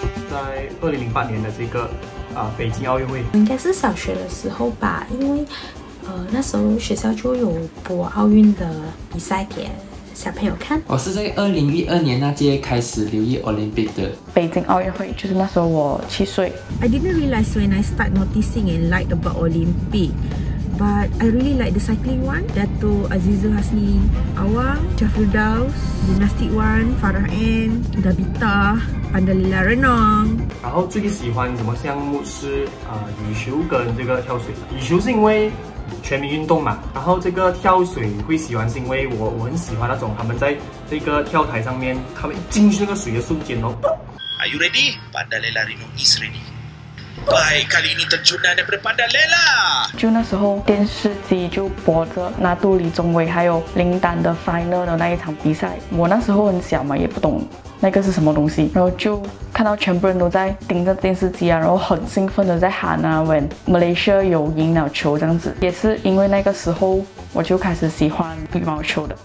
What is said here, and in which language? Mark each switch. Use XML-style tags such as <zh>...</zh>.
<zh>在2008年的这个北京奥运会，应该是小学的时候吧，因为那时候学校就有播奥运的比赛点。小朋友看，我是在2012年那届开始留意 Olympic 的北京奥运会，就是那时候我7岁。</zh> <en>I didn't realize when I start noticing and like about Olympic, but I really like the cycling one. Dato Azizul Hasni Awang, Jafur Daus, Gymnastic one, Farah N, Dabita, Pandalila Renong.</en> <zh>然后最喜欢什么项目是羽球跟这个跳水。羽球是因为全民运动嘛，然后这个跳水会喜欢是因为我很喜欢那种他们在这个跳台上面，他们进去那个水的瞬间哦。</zh> <en>Are you ready? Pandalila Rino is ready.</en> <ms>Bye, kali ini terjun daripada Pandalila.</ms> <zh>就那时候电视机就播着那杜丽中伟还有林丹的 final 的那一场比赛，我那时候很小嘛，也不懂那个是什么东西，然后就看到全部人都在盯着电视机啊，然后很兴奋的在喊啊 ，</zh> <en>When Malaysia</en> <zh>有赢了球这样子，也是因为那个时候我就开始喜欢羽毛球的。</zh>